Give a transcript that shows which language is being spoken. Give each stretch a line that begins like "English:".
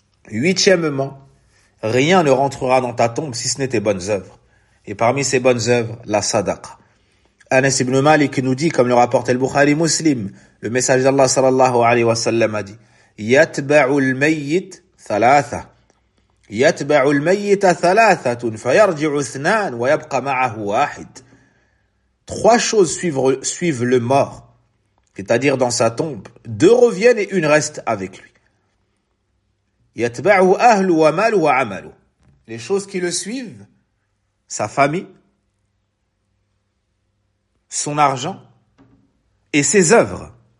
French: Huitièmement, rien ne rentrera dans ta tombe si ce n'est tes bonnes œuvres. Et parmi ces bonnes œuvres, la sadaqa. Anas ibn Malik nous dit, comme le rapporte al-Bukhari muslim, le message d'Allah sallallahu alayhi wa sallam a dit,
Arabic: يَتْبَعُ الْمَيِّتَ ثَلَاثَةً. يتبع الميت ثلاثة فيرجع اثنان ويبقى معه واحد.
French: Trois choses suivent le mort, c'est-à-dire dans sa tombe. Deux reviennent et une reste avec lui.
Arabic: يتبعه أهله وماله وعمله.
French: Les choses qui le suivent, sa famille, son argent et ses œuvres.